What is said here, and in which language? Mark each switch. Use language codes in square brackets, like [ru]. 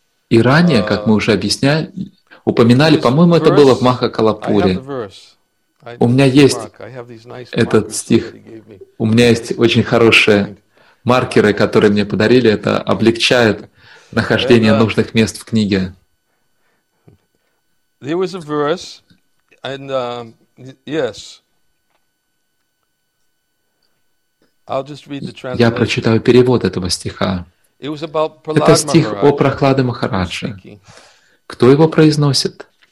[ru] И ранее, как мы уже упоминали, по-моему, это было в Махакалапуре. У меня есть этот стих, у меня есть очень хорошие маркеры, которые мне подарили, это облегчает нахождение нужных мест в книге. [en] There was a verse, and yes, I'll just read the translation. [ru] Я прочитаю перевод этого стиха. [en] It was about Prahlad Maharaj. [ru] Это стих о Прахладе Махарадже. Кто его произносит?